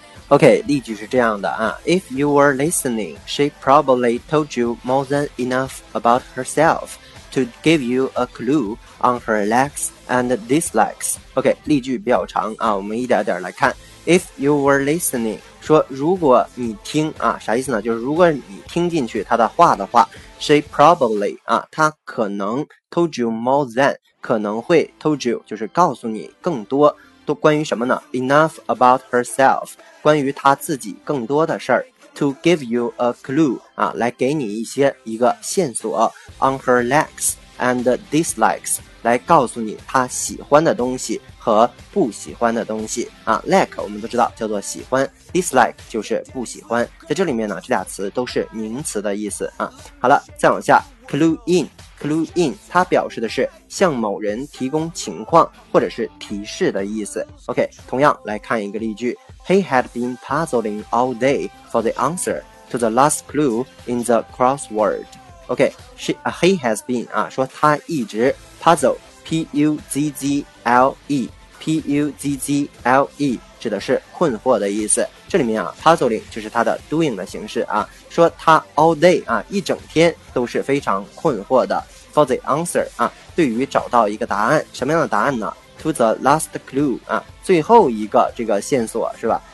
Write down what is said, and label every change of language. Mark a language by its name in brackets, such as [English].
[English] OK， [Chinese] 例句是这样的啊 [English] ：If you were listening, she probably told you more than enough about herself to give you a clue on her likes and dislikes. [Chinese] OK， 例句比较长啊，我们一点点来看。 [English] If you were listening， [Chinese] 说如果你听啊，啥意思呢？就是如果你听进去他的话的话。 She probably 啊，她可能 [English] told you more than [Chinese] 可能会 told you 就是告诉你更多都关于什么呢 ？ [English] Enough about herself [Chinese] 关于她自己更多的事儿。 [English] To give you a clue [Chinese] 啊，来给你一些一个线索。 [English] On her likes and dislikes [Chinese] 来告诉你她喜欢的东西和不喜欢的东西啊。 Like 我们都知道叫做喜欢。Dislike 就是不喜欢，在这里面呢，这俩词都是名词的意思啊。好了，再往下 ，clue in， 它表示的是向某人提供情况或者是提示的意思。 [English] OK， [Chinese] 同样来看一个例句 [English] ，He had been puzzling all day for the answer to the last clue in the crossword. [Chinese] OK， [English] he has been [Chinese] 啊，说他一直 puzzle，P-U-Z-Z-L-E。指的是困惑的意思，这里面啊 puzzling 就是它的 doing 的形式啊，说他 [English] all day [Chinese] 啊一整天都是非常困惑的。 [English] For the answer [Chinese] 啊，对于找到一个答案，什么样的答案呢？ [English] To the last clue [Chinese] 啊，最后一个这个线索是吧？